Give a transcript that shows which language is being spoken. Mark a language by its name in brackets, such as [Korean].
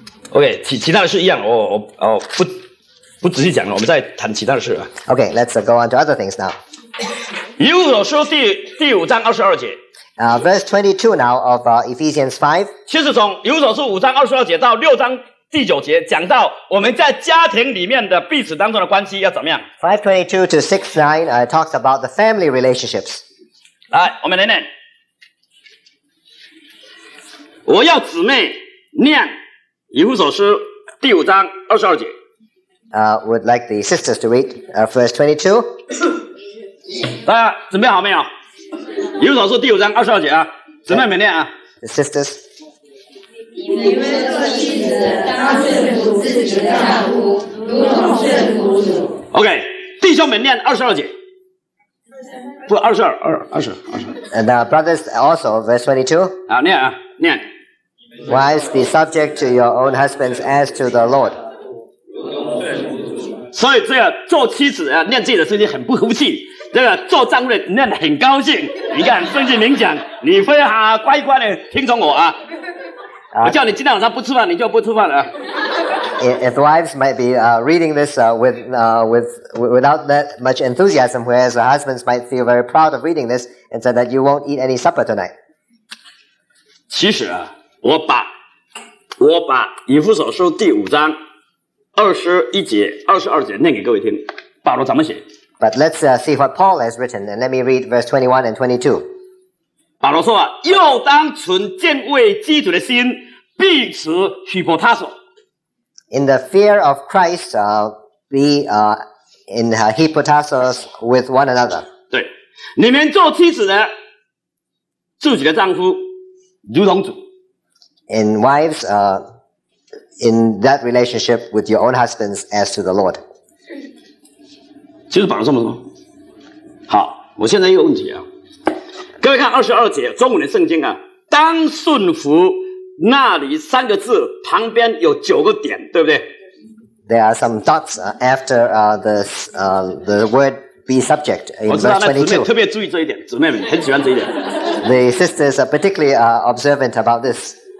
[Chinese] OK, 其他的事一样，我不仔细讲了，我们再谈其他的事吧。 [English] OK, let's go on to other things now. [Chinese] 以弗所书第五章二十二节。 [English] Verse 22 now of Ephesians 5. [Chinese] 其实从以弗所书五章二十二节到六章第九节讲到我们在家庭里面的彼此当中的关系要怎么样。 [English] 5:22-6:9 talks about the family relationships. [Chinese] 来，我们来念。我要姊妹念以弗所书第五章二十二节。 [English] Would like the sisters to read verse 22. [Chinese] 大家准备好没有？以弗所书第五章二十二节啊，姊妹们念啊。 [English] The sisters， [Chinese] 你们做妻子的当顺服自己的丈夫，如同顺服主。 OK， 弟兄们念二十二节。不，二十二，二十。 [English] And brothers also verse 22。 [Chinese] 啊，念啊，念。 [English] Wives, be subject to your own husbands as to the Lord。 [Chinese] 所以这个做妻子啊，念自己的事情很不服气。这个做丈夫的念得很高兴，你看圣经明讲，你非常乖乖的听从我啊！我叫你今天晚上不吃饭，你就不吃饭了。 [English] If wives might be reading this without that much enthusiasm, whereas husbands might feel very proud of reading this and said that you won't eat any supper tonight. [Chinese] 其实啊，我把我把以弗所书第五章二十一节、二十二节念给各位听。保罗怎么写 [English] ？But let's see what Paul has written, and let me read verse 21 and 22. [Chinese] 保罗说啊，又当存敬畏基督的心，彼此许伯他所。 [English] In the fear of Christ, in hypotasis with one another. [Chinese] 对，你们做妻子的，自己的丈夫如同主。 [English] In wives, in that relationship with your own husbands as to the Lord. [Chinese] 其实保罗这么说。好，我现在有问题啊。各位看二十二节中文的圣经啊，当顺服那里三个字旁边有九个点，对不对？ [English] There are some dots after the word be subject in verse 22. [Chinese] 我知道，那姊妹特别注意这一点，姊妹们很喜欢这一点。 [English] The sisters are particularly observant about this.